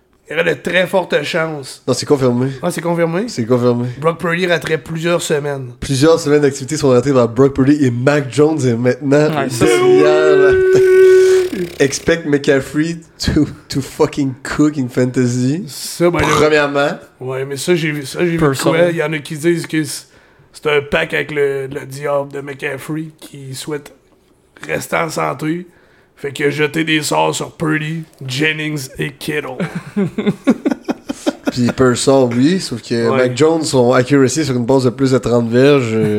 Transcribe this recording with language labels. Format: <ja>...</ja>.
<fr>Il y aurait de très fortes chances. Non, c'est confirmé. Ah, c'est confirmé? C'est confirmé. Brock Purdy raterait plusieurs semaines. Plusieurs semaines d'activité sont ratées par Brock Purdy et Mac Jones est maintenant derrière.</fr> <en>Expect McCaffrey to fucking cook in fantasy.</en> <fr>Ça, ben, premièrement. Ouais, mais ça, j'ai vu quoi? Il y en a qui disent que c'est un pack avec le diable de McCaffrey qui souhaite rester en santé. Fait que jeter des sorts sur Purdy, Jennings et Kittle. Puis Purcell, oui, sauf que ouais. Mac Jones, son accuracy sur une base de plus de 30 verges.</fr>